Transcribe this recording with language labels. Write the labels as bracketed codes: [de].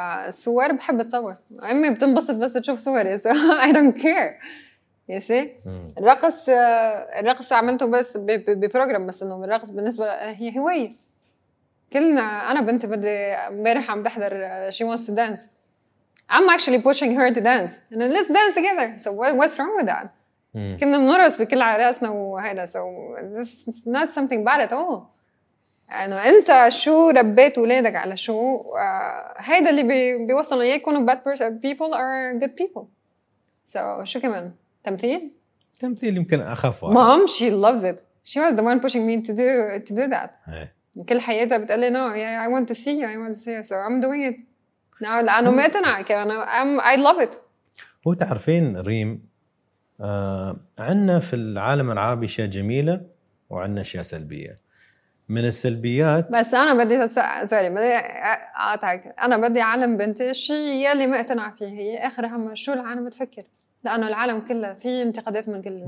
[ar] صور بحب أتصور أمي بتنبسط بس تشوف صوري [en] so I don't care you see [ar] الرقص عملته بس ببروجرام بس إنه الرقص بالنسبة هي هواية كلنا أنا بنتي بدي امبارح عم بحضر [en] she wants to dance I'm actually pushing her to dance. And let's dance together. So what's wrong with that? [ar] كنا بنرقص بكل عرسنا وهذا. [en] So this is not something bad at all. [ar] إنه أنت شو ربيت ولادك على شو هذا اللي بيوصل إياه يكونوا [en] bad people or good people. So [ar] شو كمان تمثيل؟ تمثيل يمكن أخف. [en] Mom she loves it. She was the one pushing me to do that. [ar] كل حياتها بتقولي [en] no yeah I want to see you. So I'm doing it. [ar] نعم لأنه ما أتنع كأنا [en] I love it. [ar] هو تعرفين ريم عنا في العالم العربي شيء جميلة وعنا شيء سلبية من السلبيات. بس أنا بدي بدي أعطيك أنا بدي أعلم بنتي الشيء يلي ما أتنع فيه هي آخر هم شو العالم تفكر لأنه العالم كله فيه انتقادات من كل الناس.